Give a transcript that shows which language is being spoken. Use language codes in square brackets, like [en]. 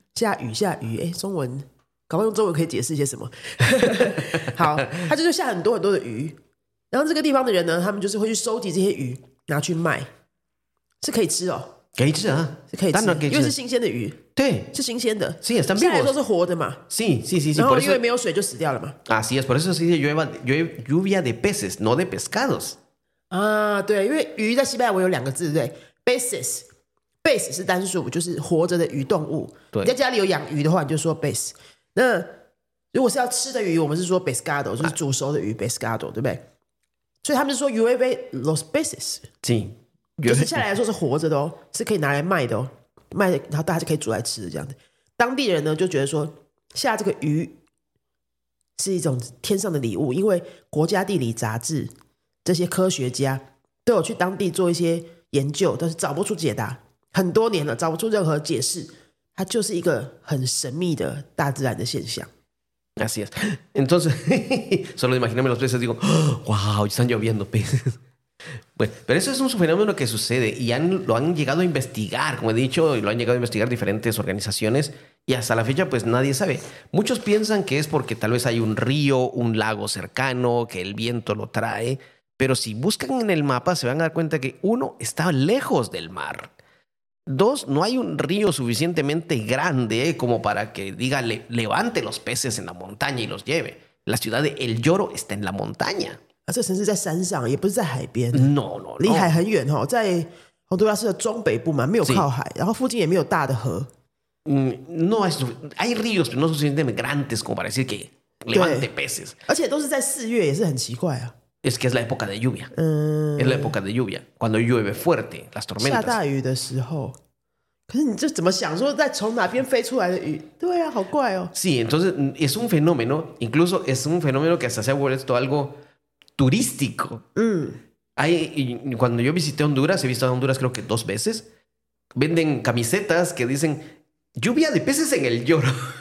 [zh] 下雨下雨中文搞不好用中文可以解释些什么好他就是下很多很多的雨然后这个地方的人呢他们就是会去收集这些鱼拿去卖是可以吃哦可以吃啊是可以 吃, 当然可以吃因为是新鲜的鱼对是新鲜的 [es] sí, están vivos. [zh] 下来都是活的嘛 [es] sí, sí, sí, sí, [zh] 然后因为没有水就死掉了嘛 [es] así es, por eso se dice lluvia de peces no de pescados [zh] 啊对因为鱼在西班牙文有两个字对 peces base 是单数就是活着的鱼动物对你在家里有养鱼的话你就说 base那如果是要吃的鱼我们是说 pescado 就是煮熟的鱼、啊、pescado 对不对所以他们是说 [es] llueve los peces [zh] 对就是下来说是活着的哦是可以拿来卖的哦卖然后大家就可以煮来吃的这样的当地人呢就觉得说下这个鱼是一种天上的礼物因为国家地理杂志这些科学家都有去当地做一些研究但是找不出解答很多年了找不出任何解释它就是一个很神秘的大自然的现象。 [es] Así es. Entonces, solo imagíname los peces, digo, wow, están lloviendo peces. Bueno, pero eso es un fenómeno que sucede y lo han llegado a investigar, como he dicho, y lo han llegado a investigar diferentes organizaciones y hasta la fecha pues nadie sabe. Muchos piensan que es porque tal vez hay un río, un lago cercano, que el viento lo trae, pero si buscan en el mapa se van a dar cuenta que uno está lejos del mar. Dos, no hay un río suficientemente grande como para que diga levante los peces en la montaña y los lleve. La ciudad de El Lloro está en la montaña. Esta ciudad está en la montaña, no está en la mar. No. El mar es muy lejos, en Honduras es el norte, no está cerca del mar. Y cerca de la ciudad no hay un gran río. Hay ríos, pero no suficientemente grandes como para decir que levante peces. Y todo es en 4 de julio, es muy extraño. Es que es la época de lluvia. Es la época de lluvia. Cuando llueve fuerte, las tormentas. [zh] 下大雨的时候。可是你这怎么想说在从哪边飞出来的雨？对啊，好怪哦。 [es] Sí, entonces es un fenómeno, incluso es un fenómeno que hasta se ha vuelto algo turístico. Cuando yo visité Honduras, he visto a Honduras creo que dos veces, venden camisetas que dicen lluvia de peces en el lloro.